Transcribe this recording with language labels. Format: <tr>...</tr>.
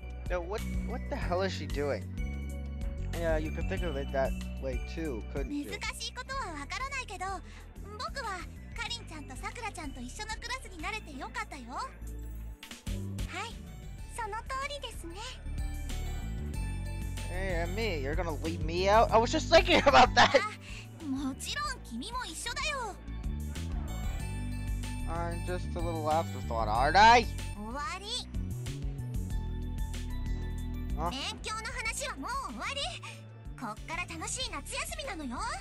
<en>What the hell is she doing? Yeah, you could think of it that way too, couldn't you?</en> <ja>難しいことはわからないけど、僕はカリンちゃんとサクラちゃんと一緒のクラスになれてよかったよ。はい、その通りですね。</ja> <en>Hey, and me, you're gonna leave me out? I was just thinking about that!</en> <ja>もちろん君も一緒だよ。</ja> <en>I'm just a little afterthought, aren't I?</en> <ja>終わり。勉強の話はもう終わり。こっから楽しい夏休みなのよ。</ja>